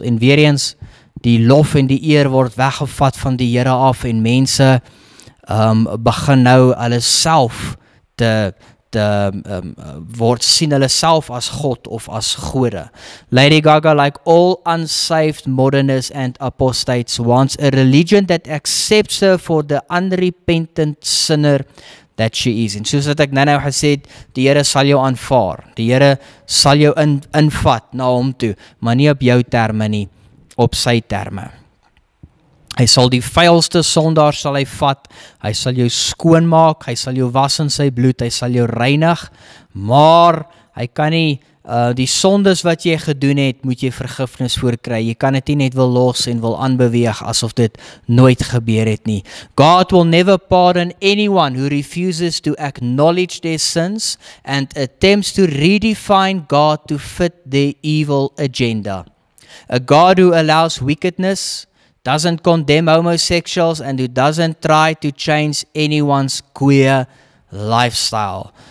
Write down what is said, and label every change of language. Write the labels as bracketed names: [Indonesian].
[Afrikaans] En weer eens, die lof en die eer word weggevat van die Here af, en mense begin nou hulle self te word sien hulle self as God of as gode. [English] Lady Gaga, like all unsaved modernists and apostates, wants a religion that accepts her for the unrepentant sinner that she is. [Afrikaans] En soos wat ek nou gesê het, die Here sal jou aanvaar. Die Here sal jou invat na hom toe, maar nie op jou terme nie, op sy terme. Hy sal die vuilste sondaar sal hy vat, hy sal jou skoonmaak, hy sal jou was in sy bloed, hy sal jou reinig, maar hy kan nie, die sondes wat jy gedoen het, moet jy vergifnis voor kry, jy kan het nie net wil los en wil aanbeweeg, asof dit nooit gebeur het nie. [English] God will never pardon anyone who refuses to acknowledge their sins and attempts to redefine God to fit their evil agenda. A God who allows wickedness, doesn't condemn homosexuals and who doesn't try to change anyone's queer lifestyle.